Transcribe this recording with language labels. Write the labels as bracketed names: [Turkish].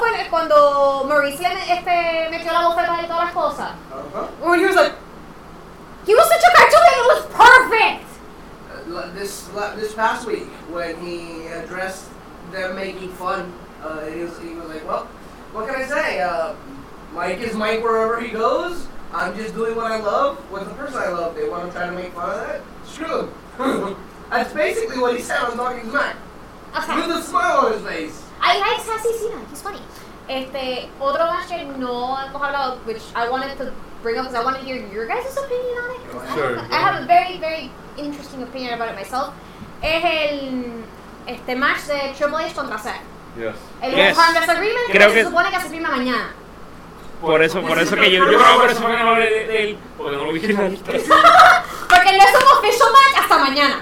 [Spanish] Cuando Mauricio metió la bofeta y todas las cosas. Uh-huh. [English] When he was like, he was such a cartoon and it was perfect. This past week when he addressed them making fun, he was like, well, what can I say? Mike is Mike wherever he goes. I'm just doing what I love with the person I love. They want to try to make fun of that? Screw them. That's basically what he said on Talking Smack. Okay. With a smile on his face. I like Sassy Cena. He's funny. Otro match I know I've talked about, which I wanted to bring up because I want to hear your guys' opinion on it. Sure. I have a very, very interesting opinion about it myself. [Spanish] Es el match de Triple H contra Seth. [English] Yes. [Spanish] El Harmless Agreement que se supone que se firma mañana. Por eso que yo creo que por eso que no hablé de él, porque no lo vi en la lista. Porque no es un official match hasta mañana.